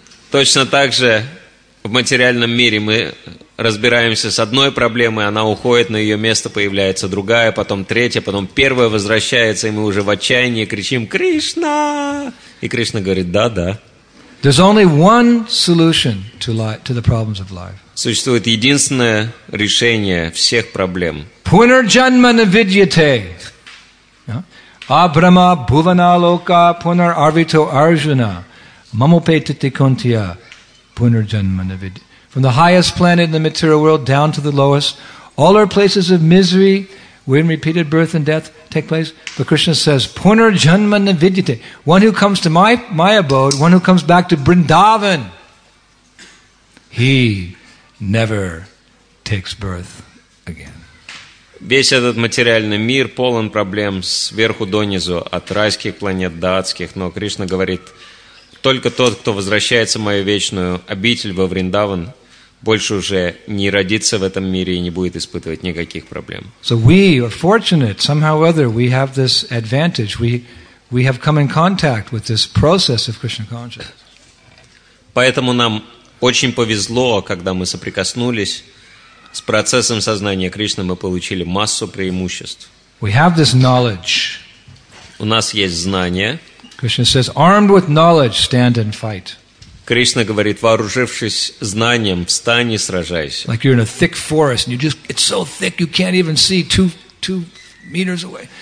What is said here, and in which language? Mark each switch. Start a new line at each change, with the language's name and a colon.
Russian: Точно так же в материальном мире мы разбираемся с одной проблемой, она уходит, на ее место появляется другая, потом третья, потом первая возвращается, и мы уже в отчаянии кричим «Кришна!» И Кришна говорит «Да, да».
English: There's only one solution to the problems of life.
Russian: Существует единственное решение всех проблем.
Sanskrit: Пунарджанма навидьяте. Абрама бхуваналока пунар арвито арджуна. Мамупетити кунтия. Пунарджанма навидьяте.
English: From the highest planet in the material world down to the lowest, all our places of misery, when repeated birth and death take place. But Krishna says,
Sanskrit: Пунарджанма навидьяте.
English: One who comes to my abode, one who comes back to Vrindavan, he never takes birth again.
Russian: Весь этот материальный мир полон проблем сверху донизу, от райских планет до адских, но Кришна говорит, только тот, кто возвращается в мою вечную обитель во Вриндаван, больше уже не родится в этом мире и не будет испытывать никаких проблем.
English: So we are fortunate, somehow or other, we have this advantage. We have come in contact with this process of Krishna consciousness.
Russian: Поэтому нам очень повезло, когда мы соприкоснулись с процессом сознания Кришны, мы получили массу преимуществ.
English: We have this knowledge.
Russian: У нас есть знания.
English: Krishna says, armed with knowledge, stand and fight.
Russian: Кришна говорит, вооружившись знанием, встань и сражайся.
English: Like you're in a thick forest, and it's so thick you can't even see two meters away.